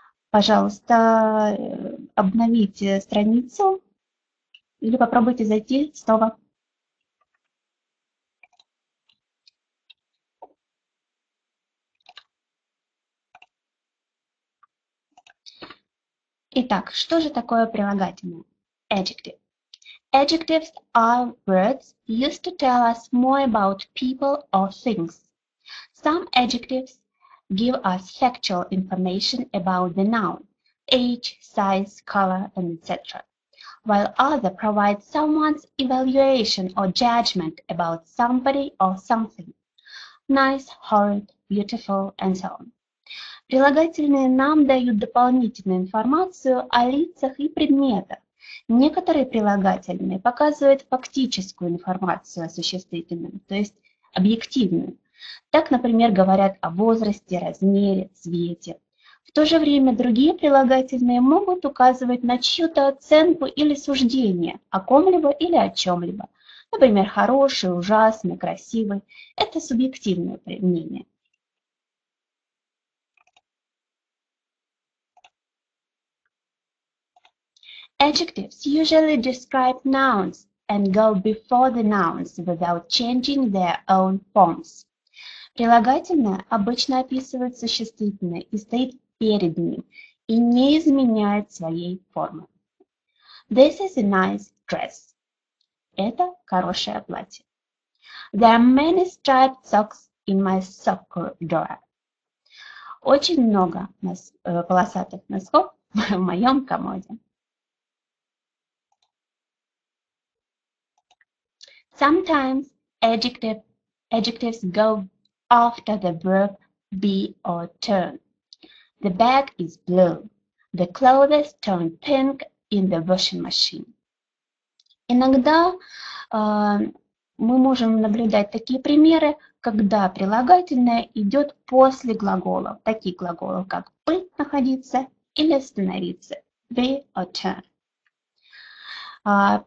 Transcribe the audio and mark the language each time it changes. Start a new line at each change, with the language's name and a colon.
Russian: Пожалуйста, обновите страницу или попробуйте зайти снова. Итак, что же такое прилагательное?
English: Adjective. Adjectives are words used to tell us more about people or things. Some adjectives give us factual information about the noun, age, size, color, and etc., while others provide someone's evaluation or judgment about somebody or something. Nice, horrid, beautiful, and so on.
Russian: Прилагательные нам дают дополнительную информацию о лицах и предметах. Некоторые прилагательные показывают фактическую информацию о существительном, то есть объективную. Так, например, говорят о возрасте, размере, цвете. В то же время другие прилагательные могут указывать на чью-то оценку или суждение о ком-либо или о чем-либо. Например, хороший, ужасный, красивый. Это субъективное мнение.
English: Adjectives usually describe nouns and go before the nouns without changing their own forms.
Russian: Прилагательное обычно описывает существительное и стоит перед ним, и не изменяет своей формы.
English: This is a nice dress.
Russian: Это хорошее платье.
English: There are many striped socks in my sock drawer.
Russian: Очень много полосатых носков в моем комоде.
English: Sometimes adjectives go after the verb be or turn. The bag is blue. The clothes turn pink in the washing machine.
Russian: Иногда мы можем наблюдать такие примеры, когда прилагательное идет после глаголов, таких глаголов, как быть, находиться или остановиться,
English: be or turn.